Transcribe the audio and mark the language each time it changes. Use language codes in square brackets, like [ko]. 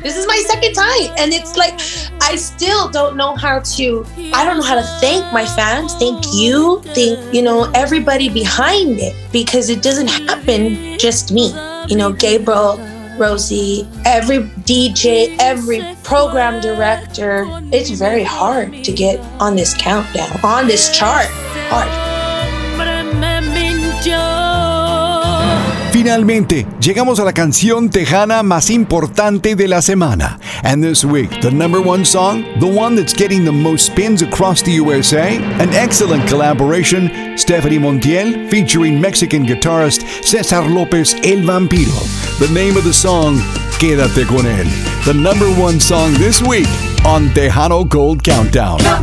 [en] This is my second time, and it's like, I still don't know how to, I don't know how to thank my fans, thank you, thank, you know, everybody behind it, because it doesn't happen just me. You know, Gabriel, Rosie, every DJ, every program director, it's very hard to get on this countdown, on this chart. Hard. [es] Finalmente, llegamos a la canción tejana más importante de la semana. [en] And this week, the number one song, the one that's getting the most spins across the USA, an excellent collaboration, Stephanie Montiel featuring Mexican guitarist Cesar Lopez El Vampiro. The name of the song, Quédate Con Él. The number one song this week on Tejano Gold Countdown.